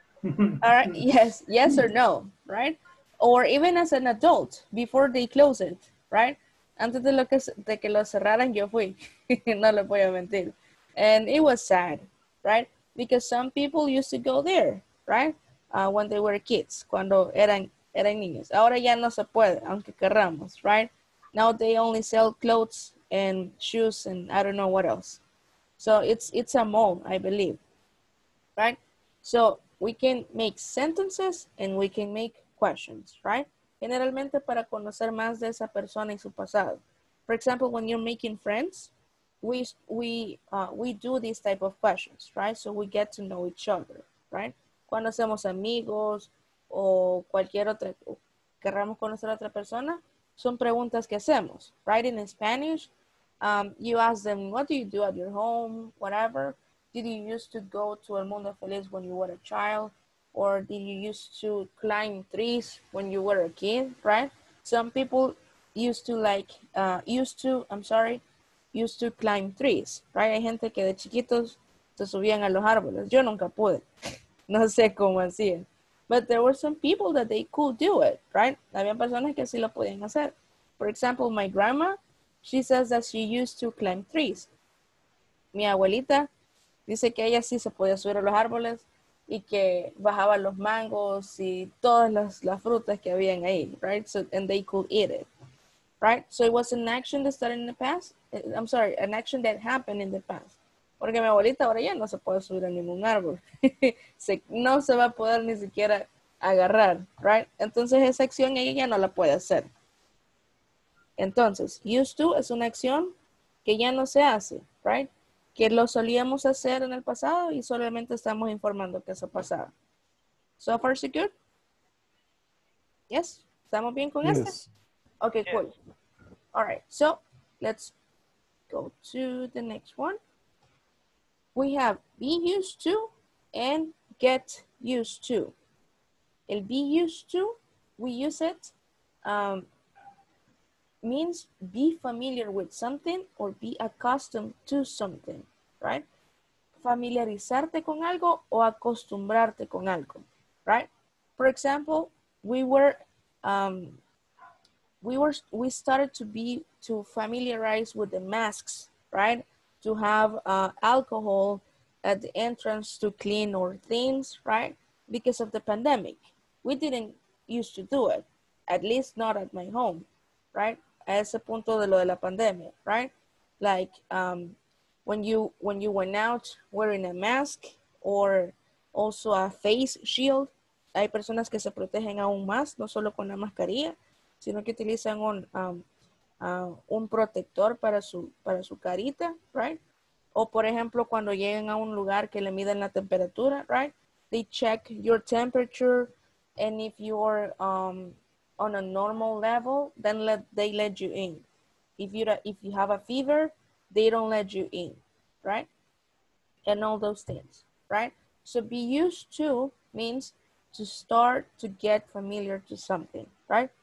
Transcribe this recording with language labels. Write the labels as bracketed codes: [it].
[en] All right, yes, yes or no, right? Or even as an adult, before they close it, right? [es] Antes de que lo cerraran, yo fui. No le voy a mentir. [en] And it was sad, right? Because some people used to go there, right? When they were kids, [es] cuando eran niños. Ahora ya no se puede, aunque querramos, right? [en] Now they only sell clothes and shoes and I don't know what else. So it's a mall, I believe, right? So we can make sentences and we can make questions, right? [es] Generalmente para conocer más de esa persona y su pasado. [en] For example, when you're making friends, we do these type of questions, right? So we get to know each other, right? [es] Cuando hacemos amigos o cualquier otra, querramos conocer a otra persona, son preguntas que hacemos, right? [en] In Spanish, you ask them, what do you do at your home, whatever. Did you used to go to El Mundo Feliz when you were a child? Or did you used to climb trees when you were a kid, right? Some people used to climb trees, right? [es] Hay gente que de chiquitos se subían a los árboles. Yo nunca pude. No sé cómo hacían. [en] But there were some people that they could do it, right? [es] Habían personas que sí lo podían hacer. [en] For example, my grandma, she says that she used to climb trees. [es] Mi abuelita dice que ella sí se podía subir a los árboles y que bajaba los mangos y todas las frutas que habían ahí, right? [en] So, and they could eat it, right? So it was an action that started in the past. I'm sorry, an action that happened in the past. [es] Porque mi abuelita ahora ya no se puede subir a ningún árbol. No se va a poder ni siquiera agarrar, right? Entonces esa acción ella ya no la puede hacer. Entonces, used to es una acción que ya no se hace, right? Que lo solíamos hacer en el pasado y solamente estamos informando que eso pasaba. [en] So far, so good? [es] Yes, ¿estamos bien con esta? Okay, yes. Cool. [en] All right, so let's go to the next one. We have be used to and get used to. El be used to, we use it, means be familiar with something or be accustomed to something, right? [es] Familiarizarte con algo o acostumbrarte con algo, right? [en] For example, we started to familiarize with the masks, right? To have alcohol at the entrance to clean our things, right? Because of the pandemic. We didn't used to do it, at least not at my home, right? [es] A ese punto de lo de la pandemia, [en] right? Like when you went out wearing a mask or also a face shield. [es] Hay personas que se protegen aún más, no solo con la mascarilla, sino que utilizan un protector para su carita, right? O por ejemplo, cuando llegan a un lugar que le miden la temperatura, right? [en] They check your temperature, and if you're on a normal level, then they let you in. If you have a fever, they don't let you in, right? And all those things, right? So be used to means to start to get familiar to something, right?